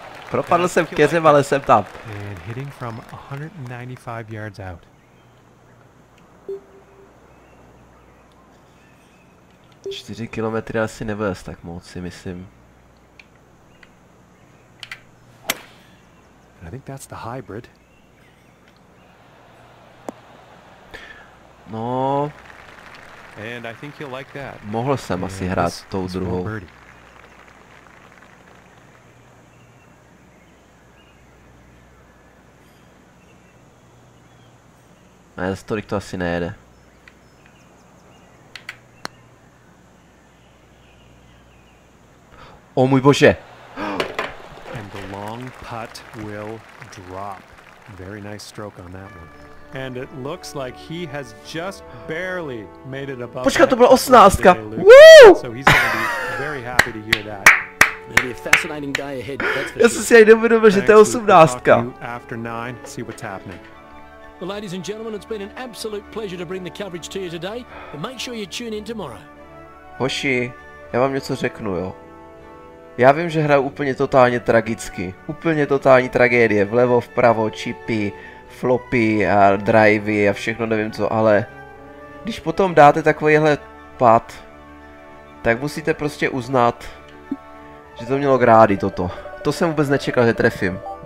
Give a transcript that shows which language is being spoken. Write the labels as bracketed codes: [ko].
[cs] Propadl jsem v keře, ale jsem tam. [en] And hitting from 195 yards out. [cs] Čtyři kilometry asi nebude tak moc, si myslím. [en] I think that's the hybrid. [cs] No. [en] And I think he'll like that. [cs] Mohl jsem asi hrát tou druhou. Ne, z tolik to asi nejede. O můj bože! [en] And the long putt will drop. Very nice stroke on that one. And it looks like he has just barely made it above. [cs] Počkat, to byla osmnáctka. Woo! [en] So he's gonna be very happy to hear that. It'll be a fascinating day ahead. [cs] Já jsem si jenom vědomil, že to je osmnáctka. [en] After 9, see what's happening. Well, ladies and gentlemen, it's been an absolute pleasure to bring the coverage to you today. But make sure you tune in tomorrow. [cs] Hoši, já vám něco řeknu, jo. Já vím, že hraju úplně totálně tragicky. Úplně totální tragédie. Vlevo, vpravo, chipy, flopy a drivey a všechno nevím co, ale... Když potom dáte takovýhle pad, tak musíte prostě uznat, že to mělo grády toto. To jsem vůbec nečekal, že trefím.